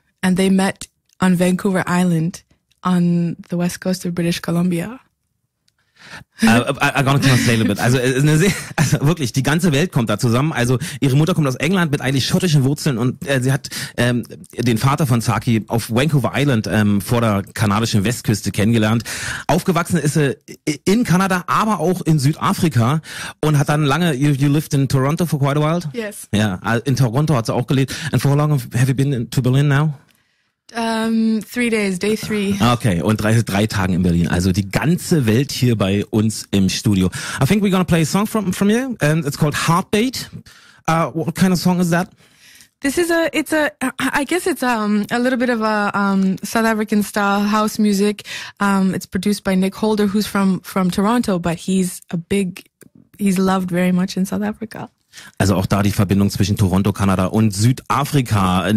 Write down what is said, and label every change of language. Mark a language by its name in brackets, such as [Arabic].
[English] And they met on Vancouver Island on the west coast of British Columbia. I'm gonna translate a little bit. [German] Also wirklich, die ganze Welt kommt da zusammen. Also ihre Mutter kommt aus England mit eigentlich schottischen Wurzeln und sie hat den Vater von Zaki auf Vancouver Island vor der kanadischen Westküste kennengelernt. Aufgewachsen ist sie in Kanada, aber auch in Südafrika und hat dann lange, [English] you lived in Toronto for quite a while? Yes. [German] Ja, in Toronto hat sie auch gelebt. [English] And for how long have you been to Berlin now? 3 days, day 3. [German] Okay, und 3 Tagen in Berlin. Also die ganze Welt hier bei uns im Studio. [English] I think we're gonna play a song from you, and it's called Heartbeat. What kind of song is that? It's a little bit of a South African style house music. It's produced by Nick Holder, who's from Toronto, but he's loved very much in South Africa. [German] Also auch da die Verbindung zwischen Toronto, Kanada und Südafrika.